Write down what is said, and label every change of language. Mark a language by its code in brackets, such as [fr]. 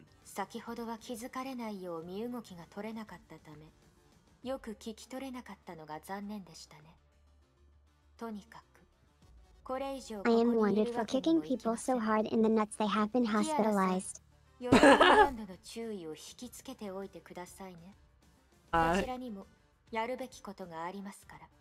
[ja] 先ほどは気づかれないよう身動きが取れなかったため、よく聞き取れなかったのが残念でしたね。とにかく。 [en] I am wanted for kicking people so hard in the nuts they have been hospitalized. [ja] ヨルガランドの注意を引きつけておいてくださいね。こちらにもやるべきことがありますから。